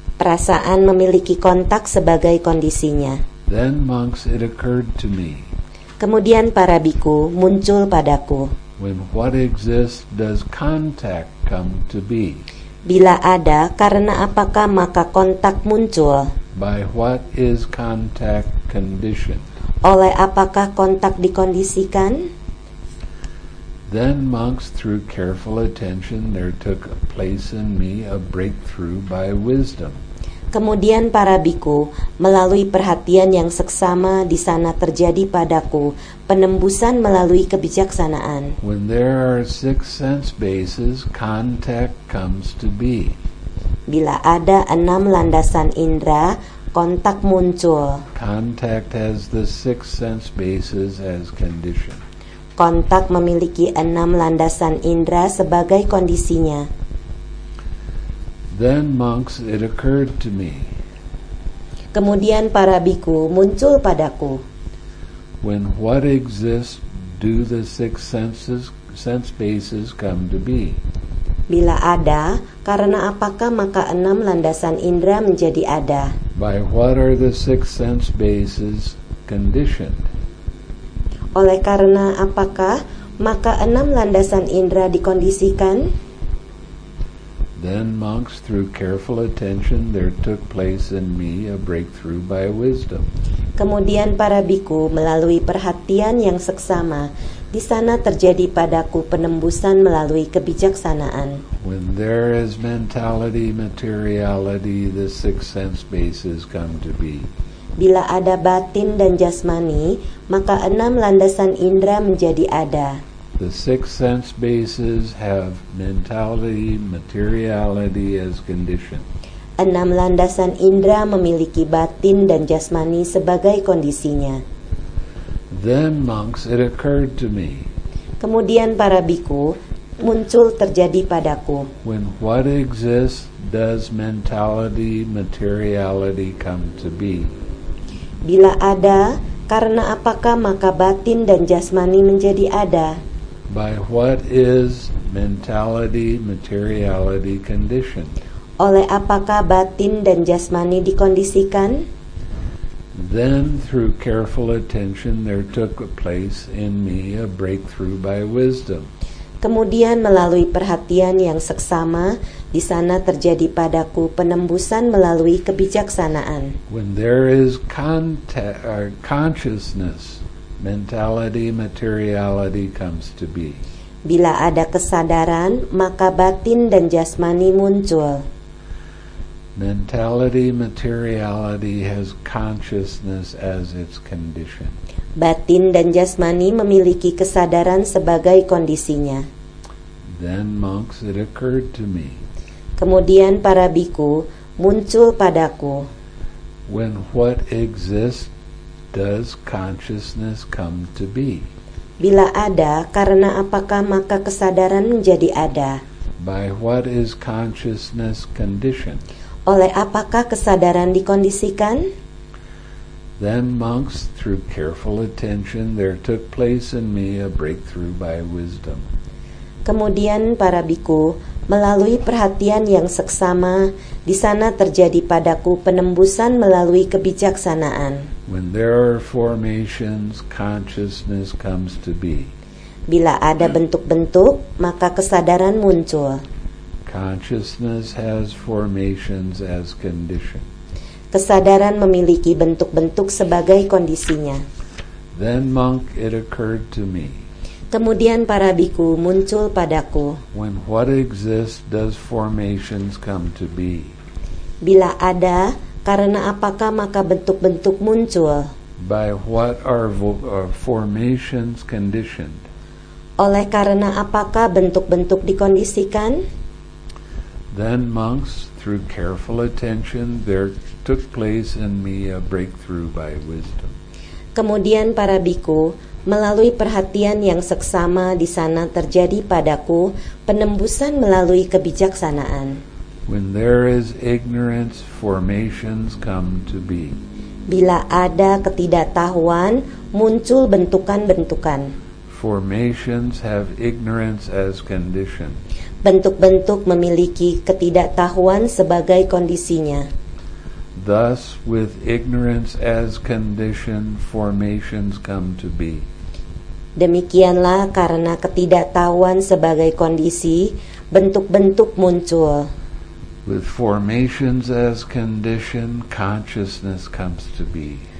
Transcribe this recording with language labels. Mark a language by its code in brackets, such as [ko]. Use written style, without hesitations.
[id] Perasaan memiliki kontak sebagai kondisinya. [en] Then monks, it occurred to me. [id] Kemudian para bhikkhu, muncul padaku. [en] When what exists, does contact come to be? [id] Bila ada, karena apakah maka kontak muncul? [en] By what is contact conditioned? [id] Oleh apakah kontak dikondisikan? [en] Then monks, through careful attention, there took place in me a breakthrough by wisdom. [id] Kemudian para bhikkhu, melalui perhatian yang seksama, di sana terjadi padaku penembusan melalui kebijaksanaan. [en] When there are six sense bases, contact comes to be. [id] Bila ada enam landasan indera, kontak muncul. [en] Contact has the six sense bases as condition. [id] Kontak memiliki enam landasan indera sebagai kondisinya. [en] Then monks, it occurred to me. [id] Kemudian para bhikkhu, muncul padaku. [en] When what exists, do the six senses, sense bases come to be? [id] Bila ada, karena apakah maka enam landasan indera menjadi ada? [en] By what are the six sense bases conditioned? [id] Oleh karena apakah maka enam landasan indera dikondisikan? [en] Then monks, through careful attention, there took place in me a breakthrough by wisdom. [id] Kemudian para bhikkhu, melalui perhatian yang seksama, di sana terjadi padaku penembusan melalui kebijaksanaan. [en] When there is mentality, materiality, the six sense bases come to be. [id] Bila ada batin dan jasmani, maka enam landasan indera menjadi ada. [en] The six sense bases have mentality, materiality as condition. [id] Enam landasan indera memiliki batin dan jasmani sebagai kondisinya. [en] Then monks, it occurred to me. [id] Kemudian para bhikkhu, muncul terjadi padaku. [en] When what exists, does mentality, materiality come to be? [id] Bila ada, karena apakah maka batin dan jasmani menjadi ada? [en] By what is mentality, materiality conditioned? [id] Oleh apakah batin dan jasmani dikondisikan? [en] Then through careful attention there took place in me a breakthrough by wisdom. [id] Kemudian melalui perhatian yang seksama, di sana terjadi padaku penembusan melalui kebijaksanaan. [en] When there is consciousness, mentality, materiality comes to be. [id] Bila ada kesadaran, maka batin dan jasmani muncul. [en] Mentality, materiality has consciousness as its condition. [id] Batin dan jasmani memiliki kesadaran sebagai kondisinya. [en] Then monks, it occurred to me. [id] Kemudian para bhikkhu, muncul padaku. [en] When what exists, does consciousness come to be? [id] Bila ada, karena apakah maka kesadaran menjadi ada? [en] By what is consciousness conditioned? [id] Oleh apakah kesadaran dikondisikan? [en] Then monks, through careful attention, there took place in me a breakthrough by wisdom. [id] Kemudian para bhikkhu, Melalui perhatian yang seksama, di sana terjadi padaku penembusan melalui kebijaksanaan. [en] When there are formations, consciousness comes to be. [id] Bila ada bentuk-bentuk, maka kesadaran muncul. [en] Consciousness has formations as condition. [id] Kesadaran memiliki bentuk-bentuk sebagai kondisinya. [en] Then monk, it occurred to me. [id] Kemudian para bhikkhu muncul padaku. [en] When what exists, does formations come to be? [id] Bila ada, karena apakah maka bentuk-bentuk muncul? [en] By what are formations conditioned? [id] Oleh karena apakah bentuk-bentuk dikondisikan? [en] Then monks, through careful attention, there took place in me a breakthrough by wisdom. [id] Kemudian para bhikkhu, melalui perhatian yang seksama di sana terjadi padaku penembusan melalui kebijaksanaan. [en] When there is ignorance, formations come to be. [id] Bila ada ketidaktahuan, muncul bentukan-bentukan. [en] Formations have ignorance as condition. [id] Bentuk-bentuk memiliki ketidaktahuan sebagai kondisinya. [en] Thus, with ignorance as condition, formations come to be. [id] Demikianlah karena ketidaktahuan sebagai kondisi, bentuk-bentuk muncul. [en] With formations as condition, consciousness comes to be.